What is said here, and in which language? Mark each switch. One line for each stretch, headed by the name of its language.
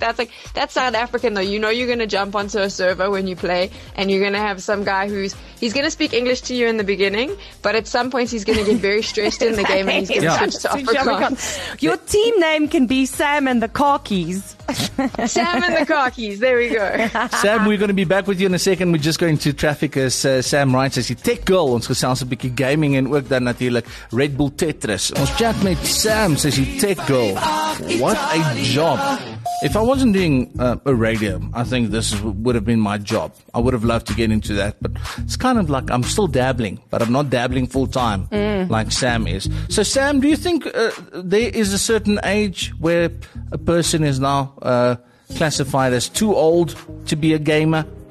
English: That's like, that's South African though. You know, you're going to jump onto a server when you play and you're going to have some guy who's, he's going to speak English to you in the beginning, but at some point he's going to get very stressed in the game and he's going to switch to Afrikaans. Your team name can be Sam and the Khakis. Sam and the Khakis. There we go. Sam, we're going to be back with you in a second. We're just going to traffic as Sam Ryan says, tech girl.
Afrikaans: Ons gesels 'n bietjie gaming en ook dan natuurlik Red Bull Tetris. Ons chat met
English: Sam says, tech girl. What a job. If I wasn't doing a radio, I think this would have been my job. I would have loved to get into that, but it's kind of like I'm still dabbling, but I'm not dabbling full time like Sam is. So, Sam, do you think there is a certain age where a person is now classified as too old to be a gamer?